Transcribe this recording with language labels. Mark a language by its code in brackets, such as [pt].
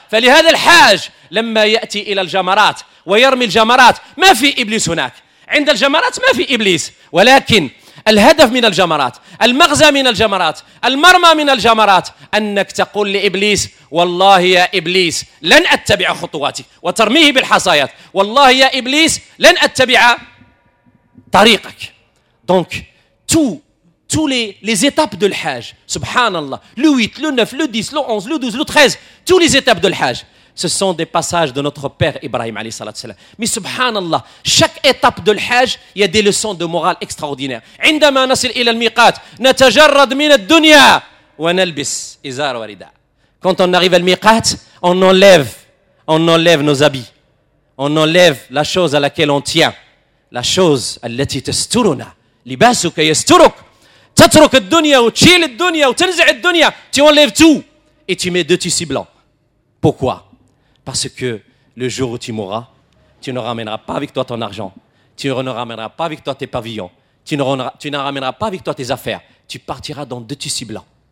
[ar] فلهذا الحاج لما يأتي إلى الجمرات ويرمي الجمرات ما في إبليس هناك عند الجمرات ما في إبليس ولكن الهدف من الجمرات المغزى من الجمرات المرمى من الجمرات أنك تقول لإبليس والله يا إبليس لن أتبع خطواتي وترميه بالحصايات والله يا إبليس لن أتبع طريقك. [fr] Donc tous les étapes de l'hajj, subhanallah, le 8, le 9, le 10, le 11, le 12, le 13, tous les étapes de l'hajj, ce sont des passages de notre père Ibrahim [ar] alayhi salatu wa salam. [fr] Mais subhanallah, chaque étape de l'hajj, il y a des leçons de morale extraordinaires. [ar] عندما نصل الى الميقات نتجرد من الدنيا ونلبس ازار ورداء. [fr] Quand on arrive à l'miqat, on enlève nos habits. On enlève la chose à laquelle on tient. La chose [ar] التي تسترنا. لباسك يسترك. تترك الدنيا وتشيل الدنيا وتنزع الدنيا. [fr] Tu enlèves tout et tu mets deux tissus blancs. Pourquoi? Parce que le jour où tu mourras, tu ne ramèneras pas avec toi ton argent. Tu ne ramèneras pas avec toi tes pavillons. Tu ne ramèneras pas avec toi tes affaires. Tu partiras dans deux tissus blancs.